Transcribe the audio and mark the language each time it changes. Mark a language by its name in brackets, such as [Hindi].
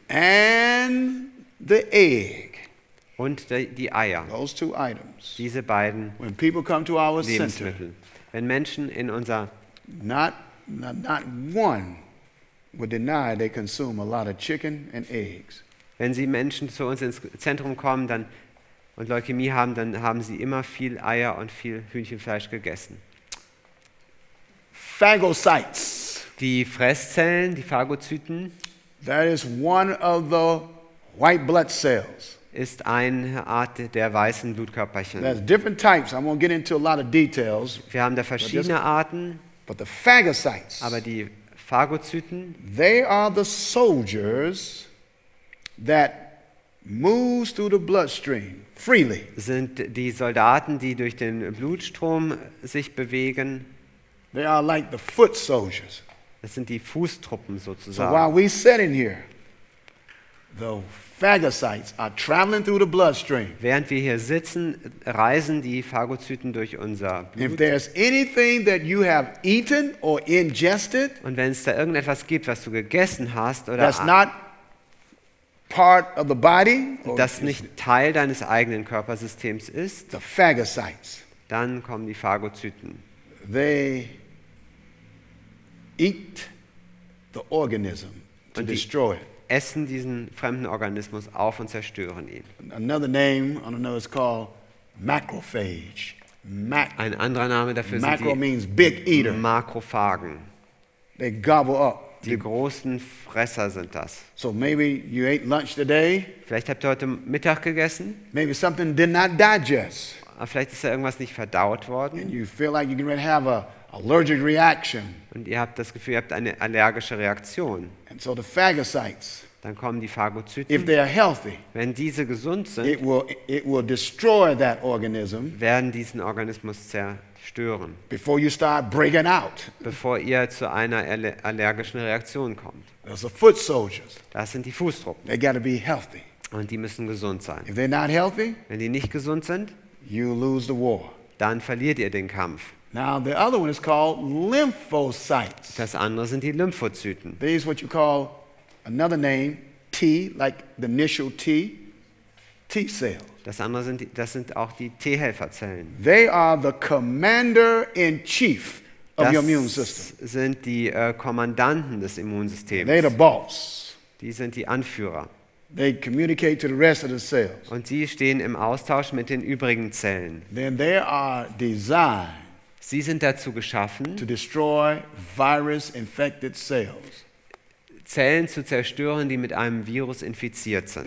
[English] And the egg. [German] Und die Eier. [English] Those two items. [German] Diese beiden. [English] When people come to our [German] Lebensmittel. [English] Center, [German] wenn Menschen in unser [English] not one would deny they consume a lot of chicken and eggs. [German] Wenn sie Menschen zu uns ins Zentrum kommen, dann und Leukämie haben, dann haben sie immer viel Eier und viel Hühnchenfleisch gegessen. [English] Phagocytes. [German] Die Fresszellen, die Phagozyten, [English] that is one of the white blood cells. [German] Ist eine Art der weißen Blutkörperchen. [English] There's different types. I won't get into a lot of details. [German] Wir haben da verschiedene Arten. [English] But the phagocytes, [German] aber die Phagozyten, [English] they are the soldiers that moves through the bloodstream freely. [German] Sind die Soldaten, die durch den Blutstrom sich bewegen. [English] They are like the foot soldiers. [German] Das sind die Fußtruppen sozusagen. [English] So while we sit in here, the phagocytes are traveling through the bloodstream. [German] Während wir hier sitzen, reisen die Phagozyten durch unser Blut. [English] If there's anything that you have eaten or ingested, [German] und wenn es da irgendetwas gibt, was du gegessen hast oder [English] that's not part of the body, [German] das nicht Teil deines eigenen Körpersystems ist, [English] the phagocytes, [German] dann kommen die Phagozyten. [English] They eat the organism to destroy it. [German] Essen diesen fremden Organismus auf und zerstören ihn. [English] Another name, I don't know, it's called macrophage. [German] Ein anderer Name dafür sind [English] macro means big eater. [German] Makrophagen. [English] They gobble up. [German] Die großen Fresser sind das. [English] So maybe you ate lunch today. [German] Vielleicht habt ihr heute Mittag gegessen. [English] Maybe something did not digest. [German] Vielleicht ist da irgendwas nicht verdaut worden. [English] And you feel like you're going to have a allergic reaction. [German] Und ihr habt das Gefühl, ihr habt eine allergische Reaktion. [English] And so the phagocytes, [German] dann kommen die Phagozyten. [English] If they are healthy, [German] wenn diese gesund sind, [English] it will destroy that organism, [German] werden diesen Organismus zerstören, [English] before you start breaking out. [German] Bevor ihr zu einer allergischen Reaktion kommt. [English] Those are foot soldiers. [German] Das sind die Fußtruppen. [English] They gotta be healthy. [German] Und die müssen gesund sein. [English] If they're not healthy, [German] wenn die nicht gesund sind, [English] you lose the war. [German] Dann verliert ihr den Kampf. [English] Now the other one is called lymphocytes. [German] Das andere sind die Lymphozyten. [English] These what you call another name T, like the initial T, T cells. [German] Das andere sind auch die T-Helferzellen. [English] They are the commander in chief of your immune system. [German] Das sind die Kommandanten des Immunsystems. [English] They're the boss. [German] Die sind die Anführer. [English] They communicate to the rest of the cells. [German] Und sie stehen im Austausch mit den übrigen Zellen. [English] Then they are designed. [German] Sie sind dazu geschaffen, [English] to destroy virus-infected cells. [German] Zellen zu zerstören, die mit einem Virus infiziert sind.